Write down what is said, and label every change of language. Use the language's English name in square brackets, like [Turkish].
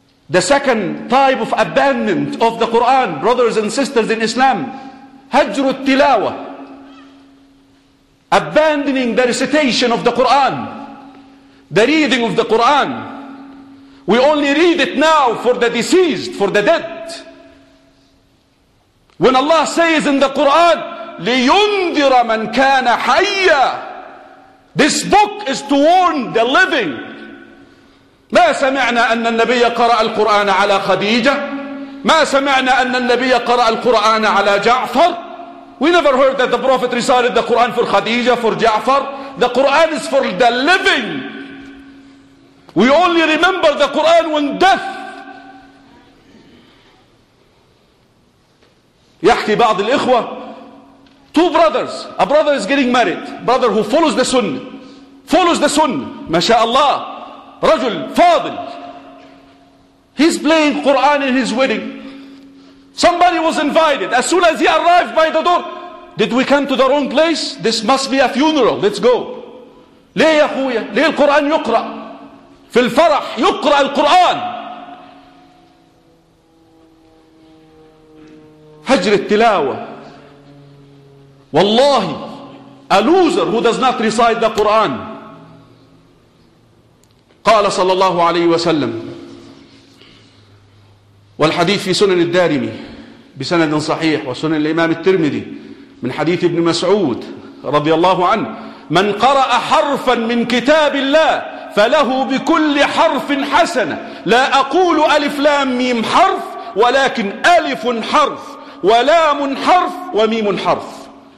[English] The second type of abandonment of the Qur'an, brothers and sisters in Islam, [Arabic] هجر التلاوة, [English] abandoning the recitation of the Qur'an, the reading of the Qur'an. We only read it now for the deceased, for the dead. When Allah says in the Qur'an, [Arabic] لِيُنذِرَ مَنْ كَانَ حَيَّا, [English] this book is to warn the living. [Arabic] ما سمعنا أن النبي قرأ القرآن على خديجة, ما سمعنا أن النبي قرأ القرآن على جعفر. [English] We never heard that the Prophet recited the Quran for Khadija, for Ja'far. The Quran is for the living. We only remember the Quran when death. [Arabic] يحكي بعض الإخوة, [English] two brothers, a brother is getting married, brother who follows the Sunnah, follows the Sunnah, [Arabic] ما شاء الله, رجل فاضل. [English] He's playing Quran in his wedding. Somebody was invited. As soon as he arrived by the door, did we come to the wrong place? This must be a funeral. Let's go. [Arabic] ليه يا أخويا؟ ليه القرآن يقرأ؟ في الفرح يقرأ القرآن. هجر التلاوة. [English] والله, a loser who does not recite the Quran. [Arabic] قال صلى الله عليه وسلم, والحديث في سنن الدارمي بسند صحيح وسنن الإمام الترمذي من حديث ابن مسعود رضي الله عنه, من قرأ حرفا من كتاب الله فله بكل حرف حسنة, لا أقول ألف لام ميم حرف, ولكن ألف حرف ولام حرف وميم حرف.